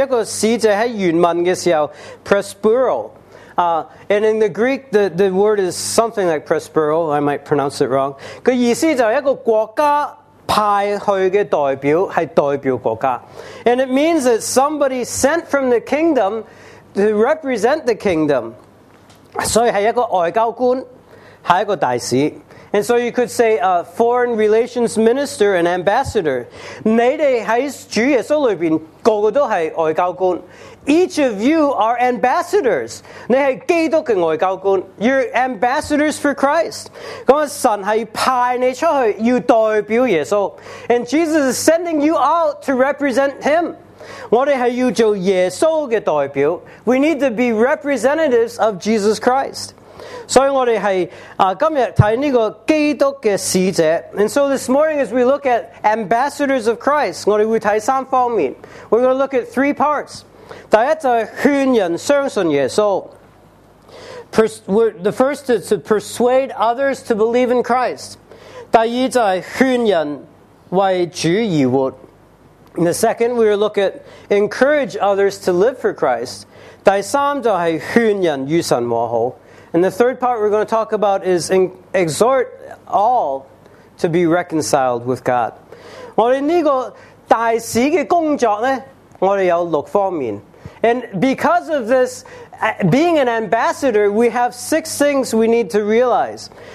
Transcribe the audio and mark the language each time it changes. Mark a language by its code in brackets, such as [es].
[zh] 一个使者在原文的时候 [en] presbyro、and in the Greek the word is something like presbyro, I might pronounce it wrong. [zh] 个意思就是一个国家派去的代表，是代表国家。 [en] And it means that somebody sent from the kingdom to represent the kingdom. [zh] 所以是一个外交官，是一个大使。 [en] And so you could say a foreign relations minister, an ambassador. [zh] 你们在主耶稣里面，个个都是外交官。 [en] Each of you are ambassadors. [zh] 你是基督的外交官。 [en] You're ambassadors for Christ. [zh] 神是派你出去，要代表耶稣。 [en] And Jesus is sending you out to represent him. [zh] 我们是要做耶稣的代表。 [en] We need to be representatives of Jesus Christ. [zh] 所以我们是、今天看这个基督的使者。 [en] And so this morning as we look at ambassadors of Christ, [zh] 我们会看三方面。 [en] We're going to look at three parts. [zh] 第一就是劝人相信耶稣。 [en] The first is to persuade others to believe in Christ. [zh] 第二就是劝人为主而活。 [en] And the second, we look at encourage others to live for Christ. [zh] 第三就是劝人与神和好。 [en] And the third part we're going to talk about is exhort all to be reconciled with God. [zh] 我们这个大使的工作呢，我们有六方面。 [en] And because of this, being an ambassador, we have six things we need to realize.